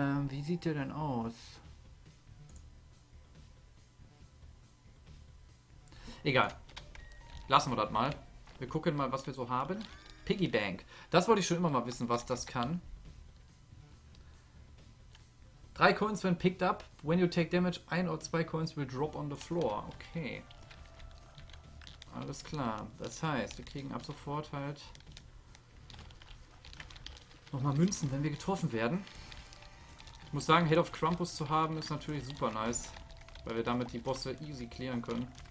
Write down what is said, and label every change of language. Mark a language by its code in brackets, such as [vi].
[de] Wie sieht der denn aus? Egal. Lassen wir das mal. Wir gucken mal, was wir so haben. Piggy Bank. Das wollte ich schon immer mal wissen, was das kann. [en] 3 Coins when picked up. When you take damage, 1 or 2 Coins will drop on the floor. [de] Okay. Alles klar. Das heißt, wir kriegen ab sofort halt nochmal Münzen, wenn wir getroffen werden. Ich muss sagen, Head of Krampus zu haben ist natürlich super nice, weil wir damit die Bosse easy klären können.